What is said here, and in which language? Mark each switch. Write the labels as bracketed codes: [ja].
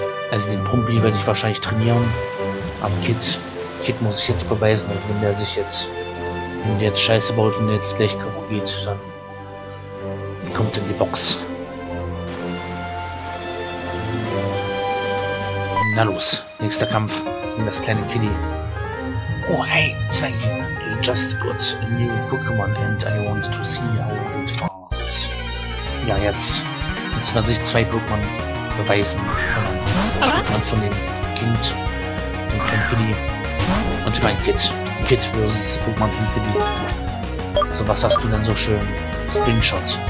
[de] Also den Pumpi werde ich wahrscheinlich trainieren. Am Kit muss ich jetzt beweisen. Und wenn der sich jetzt, wenn der jetzt Scheiße baut und jetzt gleich kaputt geht, dann kommt in die Box. Na los, nächster Kampf gegen das kleine Kitty. [en] Oh hey, Zwei. I just got a new Pokémon and I want to see how it fast. [de] Ja, jetzt werden sich zwei Pokémon beweisen. Das Pokémon von dem Kind und von Kitty. Und mein Kid versus Pokémon von Kitty. So, was hast du denn so schön? Spinshot.